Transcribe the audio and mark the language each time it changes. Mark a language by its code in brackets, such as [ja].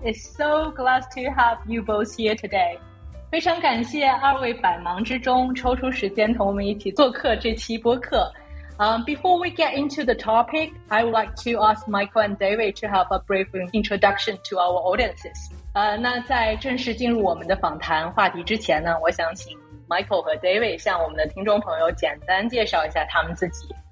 [en] It's so glad to have you both here today. [zh] 非常感谢二位百忙之中抽出时间同我们一起做客这期播客。 [en] Before we get into the topic, I would like to ask Michael and David to have a brief introduction to our audiences. [zh] 那在正式进入我们的访谈话题之前呢，我想请 Michael 和 David 向我们的听众朋友简单介绍一下他们自己。